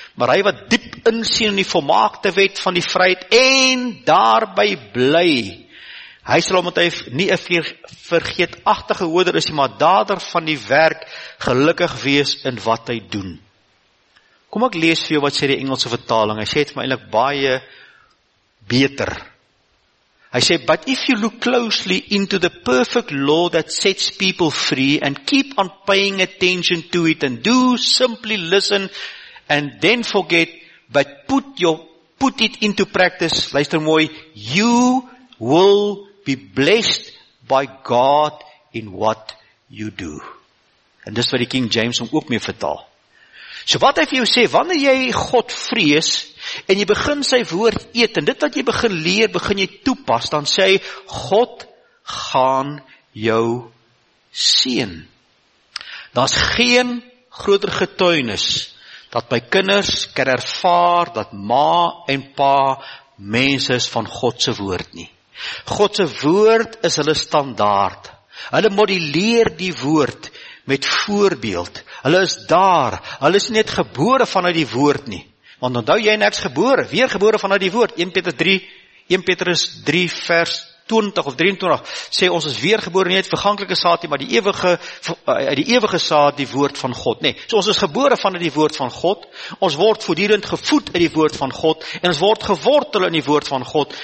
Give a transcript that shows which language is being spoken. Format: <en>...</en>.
<af>Maar hy wat diep insien in die volmaakte wet van die vryheid en daarby bly, hy sal omdat hy nie 'n vergeetachtige hoeder is, maar dader van die werk, gelukkig wees in wat hy doen. Kom ek lees vir jou wat sê die Engelse vertaling, hy sê het my eintlik baie beter. Hy sê,</af> <en>but if you look closely into the perfect law that sets people free and keep on paying attention to it and do simply listen and then forget, but put it into practice,</en> <af>luister mooi,</af> <en>you will be blessed by God in what you do.</en> <af>En dis wat die King James hom ook mee vertaal. So wat hy vir jou sê, wanneer jy God vrees, en jy begin sy woord eet, en dit wat jy begin leer, begin jy toepas, dan sê hy, God gaan jou seën. Daar's geen groter getuienis dat my kinders kan ervaar dat ma en pa mense is van God se woord nie. God se woord is hulle standaard. Hulle modelleer die woord met voorbeeld. Hulle is daar. Hulle is net gebore vanuit die woord nie. Want onthou jy en ek is gebore, weer gebore vanuit die woord. 1 Petrus 3 vers 20 of 23 sê ons is weer gebore nie uit verganklike saad nie, maar die ewige saad, die woord van God, nê. So ons is gebore vanuit die woord van God. Ons word voortdurend gevoed uit die woord van God en ons word gewortel in die woord van God.</af>